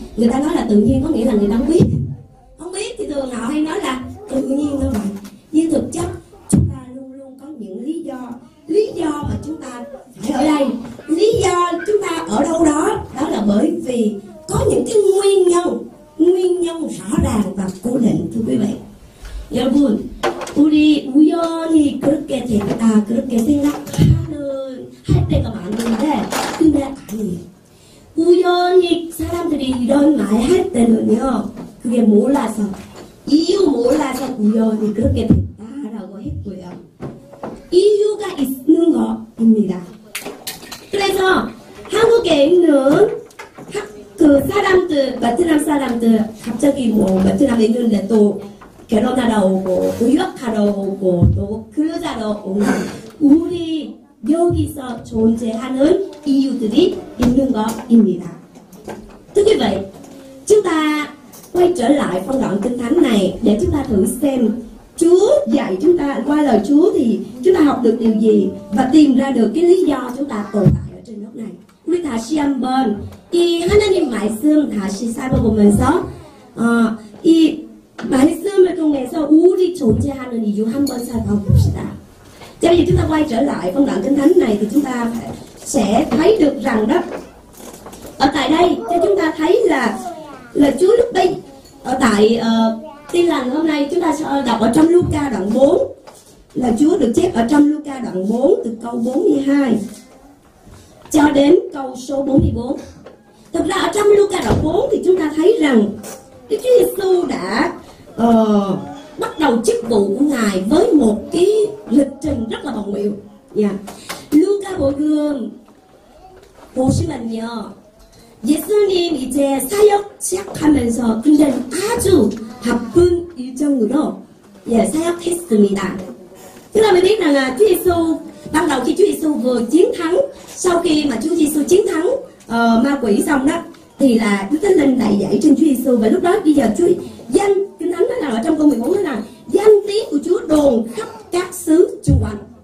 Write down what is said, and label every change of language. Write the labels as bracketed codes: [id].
[vi] Người ta nói là tự nhiên có nghĩa là người ta không biết thì thường họ hay nói là tự nhiên nó vậy. Nhưng thực chất chúng ta luôn luôn có những lý do mà chúng ta phải ở đây, lý do chúng ta ở đâu đó, đó là bởi vì có những cái nguyên nhân rõ ràng và cố định, thưa quý vị. [ko] 여러분, 우리 우연히 그렇게 됐다, 그렇게 생각하는, 할 때가 많은데, 근데 아니에요. 우연히 사람들이 이런 말 할 때는요, 그게 몰라서, 이유 몰라서 우연히 그렇게 됐다라고 했고요. 이유가 있는 겁니다. 그래서 한국에 있는 그 사람들, 베트남 사람들, 갑자기 뭐 베트남에 있는데 또, 결혼하러 오고, 의학하러 오고, 또 근로자로 오는 우리 여기서 존재하는 이유들이 있는 것입니다. 특히 [vi] quý vị, chúng ta quay trở lại phân đoạn kinh thánh này để chúng ta thử xem Chúa dạy chúng ta qua lời Chúa thì chúng ta học được điều gì và tìm ra được cái lý do chúng ta tồn tại ở trên đất này. [ko] 우리 다시 한번 이 하나님 말씀 다시 살펴보면서 이 말씀을 통해서 우리 존재하는 이유 한번 살펴봅시다. 자, 이제 [vi] chúng ta quay trở lại phân đoạn kinh thánh này thì chúng ta sẽ thấy được rằng đó ở tại đây cho chúng ta thấy là Chúa lúc đây ở tại tin lành hôm nay chúng ta đọc ở trong Luca đoạn 4 là Chúa được chép ở trong Luca đoạn 4 từ câu 42 cho đến câu số 44. Thật ra ở trong Luca đoạn 4 thì chúng ta thấy rằng Đức Chúa Giêsu đã bắt đầu chức vụ của Ngài với một cái lịch trình rất là bồng bềnh. Yeah. [ko] Luca 복음 보시면요, 예수님 이제 사역 시작하면서 굉장히 아주 바쁜 일정으로 사역했습니다. 그러면 [vi] biết rằng Chúa Giêsu ban đầu khi Chúa Giêsu vừa chiến thắng, sau khi mà Chúa Giêsu chiến thắng ma quỷ xong đó, thì là Đức Thánh Linh đại dạy trên Chúa Giêsu, và lúc đó bây giờ Chúa danh Kinh Thánh nói là ở trong câu 14 nói là danh tiếng của Chúa đồn khắp các xứ chung quanh.